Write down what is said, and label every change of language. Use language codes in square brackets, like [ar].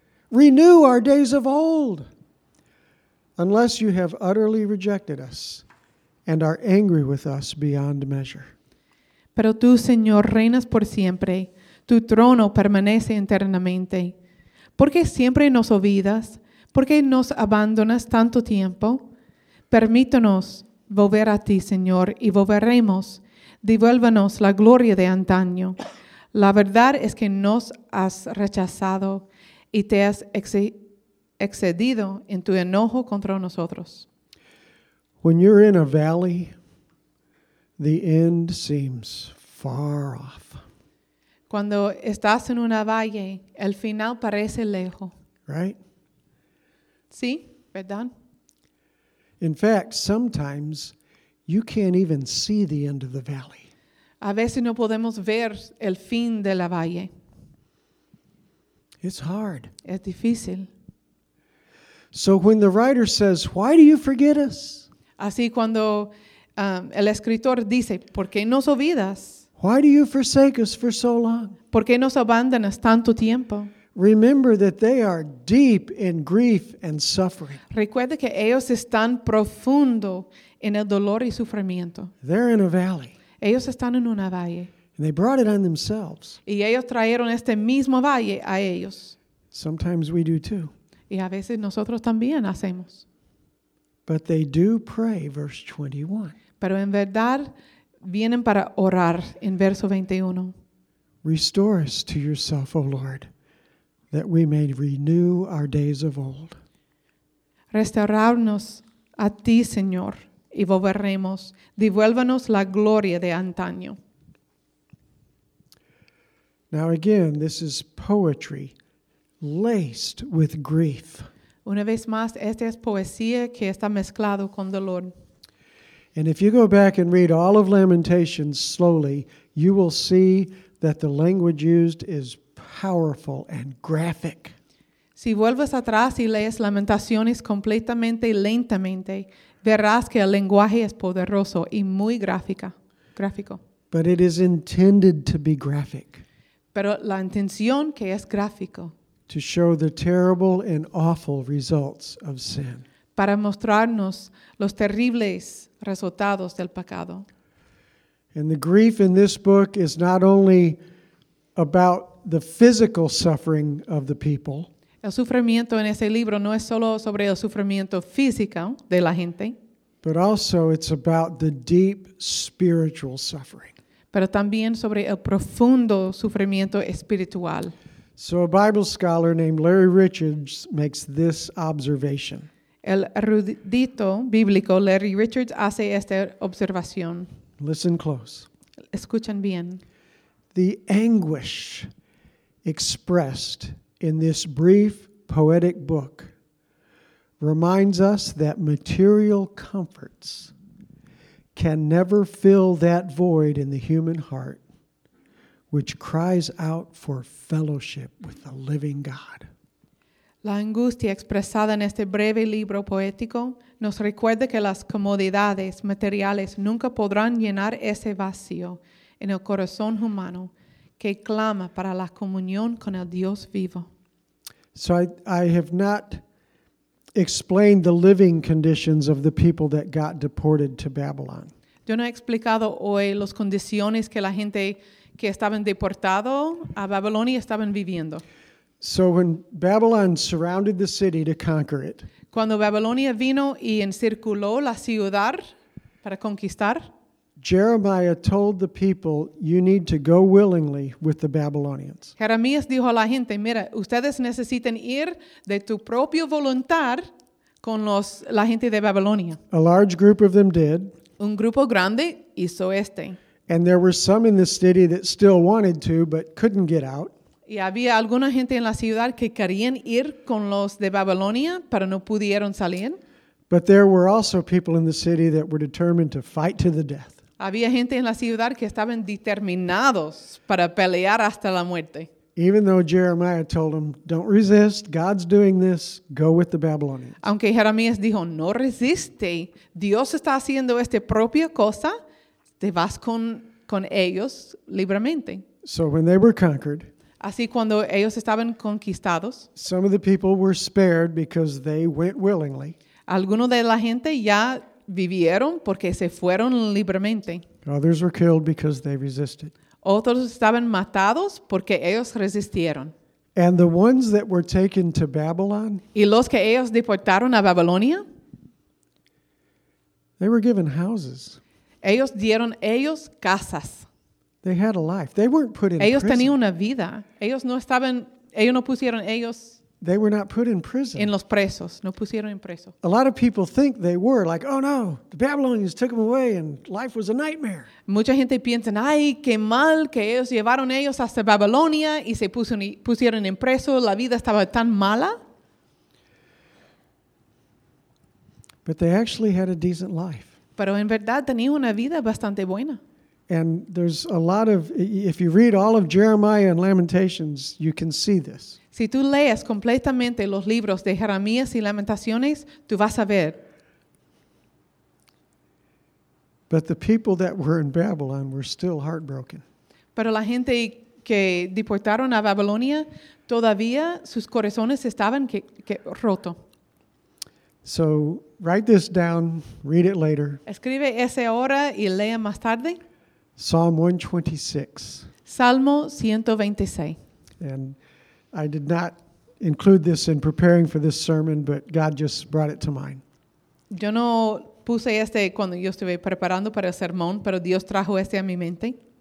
[en] Renew our days of old. Unless you have utterly rejected us and are angry with us beyond measure. [es] Pero tú, Señor, reinas por siempre. Tu trono permanece eternamente. ¿Por qué siempre nos olvidas? ¿Por qué nos abandonas tanto tiempo? Permítanos volver a ti, Señor, y volveremos. Devuélvanos la gloria de antaño. La verdad es que nos has rechazado y te has excedido en tu enojo contra nosotros. [en] When you're in a valley, the end seems far off. [es] Cuando estás en una valle, el final parece lejos. [en] Right? [es] Sí, ¿verdad? [en] In fact, sometimes you can't even see the end of the valley. [es] A veces no podemos ver el fin de la valle. [en] It's hard. [es] Es difícil. [en] So when the writer says, "Why do you forget us?" [es] Así cuando el escritor dice, "¿Por qué nos olvidas?" [en] Why do you forsake us for so long? [es] ¿Por qué nos abandonas tanto tiempo? [en] Remember that they are deep in grief and suffering. [es] Recuerda que ellos están profundo en el dolor y sufrimiento. [en] They're in a valley. [es] Ellos están en una valle. [en] And they brought it on themselves. [es] Y ellos trajeron este mismo valle a ellos. [en] Sometimes we do too. [es] Y a veces nosotros también hacemos. [en] But they do pray, verse 21. [es] Pero en verdad vienen para orar en verso 21. [en] Restore us to yourself, O Lord, that we may renew our days of old. [es] Restaurarnos a ti, Señor, y volveremos. Devuélvanos la gloria de antaño. [en] Now again, this is poetry laced with grief. [es] Una vez más, esta es poesía que está mezclado con dolor. [en] And if you go back and read all of Lamentations slowly, you will see that the language used is powerful and graphic. [es] Si vuelves atrás y lees Lamentaciones completamente lentamente, verás que el lenguaje es poderoso y muy gráfico. [en] But it is intended to be graphic. [es] Pero la intención que es gráfico. [en] To show the terrible and awful results of sin. [es] Para mostrarnos los terribles resultados del pecado. [en] And the grief in this book is not only about the physical suffering of the people. [es] El sufrimiento en ese libro no es solo sobre el sufrimiento físico de la gente. [en] But also it's about the deep spiritual suffering. [es] pero también sobre el profundo sufrimiento espiritual. [en] So a Bible scholar named Larry Richards makes this observation. [es] El erudito bíblico Larry Richards hace esta observación. [en] Listen close. [es] Escuchen bien. [en] The anguish expressed in this brief poetic book reminds us that material comforts can never fill that void in the human heart which cries out for fellowship with the living God. [es] La angustia expresada en este breve libro poético nos recuerda que las comodidades materiales nunca podrán llenar ese vacío en el corazón humano que clama para la comunión con el Dios vivo. [en] So I have not explained the living conditions of the people that got deported to Babylon. [es] Yo no he explicado hoy las condiciones que la gente que estaban deportado a Babilonia estaban viviendo. [en] So when Babylon surrounded the city to conquer it, [es] cuando Babilonia vino y encirculó la ciudad para conquistar, [en] Jeremiah told the people, "You need to go willingly with the Babylonians." [es] Jeremías dijo a la gente, mira, ustedes necesitan ir de tu propio voluntad con los la gente de Babilonia. [en] A large group of them did. [es] Un grupo grande hizo este. [en] And there were some in the city that still wanted to, but couldn't get out. [es] Y había alguna gente en la ciudad que querían ir con los de Babilonia, pero no pudieron salir. [en] But there were also people in the city that were determined to fight to the death. [es] Había gente en la ciudad que estaban determinados para pelear hasta la muerte. [en] Even though Jeremiah told them, "Don't resist, God's doing this, go with the Babylonians." [es] Aunque Jeremías dijo, "No resiste, Dios está haciendo esta propia cosa, te vas con ellos libremente." [en] So when they were conquered, [es] así cuando ellos estaban conquistados, [en] some of the people were spared because they went willingly. [es] Algunos de la gente ya vivieron porque se fueron libremente. [en] Others were killed because they resisted. [es] Otros estaban matados porque ellos resistieron. [en] And the ones that were taken to Babylon, [es] y los que ellos deportaron a Babilonia, [en] they were given houses. [es] Ellos dieron ellos casas. [en] They had a life. They weren't put in [es] ellos [en] prison. [es] Tenían una vida. Ellos no estaban, ellos no pusieron ellos. [en] They were not put in prison. [es] En los presos, no pusieron en preso. [en] A lot of people think they were like, "Oh no, the Babylonians took them away and life was a nightmare." [es] Mucha gente piensa, "Ay, qué mal que ellos llevaron ellos hasta Babilonia y se pusieron en preso, la vida estaba tan mala." [en] But they actually had a decent life. [es] Pero en verdad tenían una vida bastante buena. [en] And there's a lot of, if you read all of Jeremiah and Lamentations, you can see this. [es] Si tú lees completamente los libros de Jeremías y Lamentaciones, tú vas a ver. [en] But the people that were in Babylon were still heartbroken. [es] Pero la gente que deportaron a Babilonia, todavía sus corazones estaban que roto. [en] So write this down, read it later. [es] Escribe ese ahora y lea más tarde. [en] Psalm 126. [es] Salmo 126. [en] And I did not include this in preparing for this sermon, but God just brought it to mind. [es] Yo no puse este cuando yo estuve preparando para el sermón, pero Dios trajo este a mi mente.